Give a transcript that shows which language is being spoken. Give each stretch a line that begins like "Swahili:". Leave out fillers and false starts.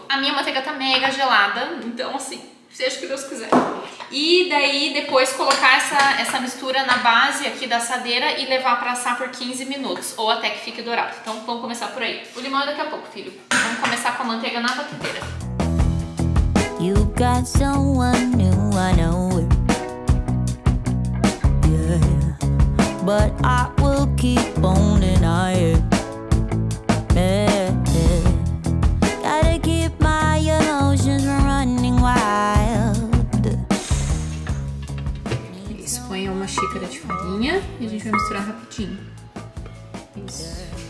Portuguese: A minha manteiga tá mega gelada, então assim, seja o que Deus quiser. E daí depois colocar essa mistura na base aqui da assadeira e levar pra assar por 15 minutos ou até que fique dourado. Então vamos começar por aí. O limão é daqui a pouco, filho. Vamos começar com a manteiga na batedeira.
English: You got someone new, I know it. But I will keep on denying. Gotta keep my emotions from running wild.
Portuguese: Isso, põe uma xícara de farinha e a gente vai misturar rapidinho. Isso.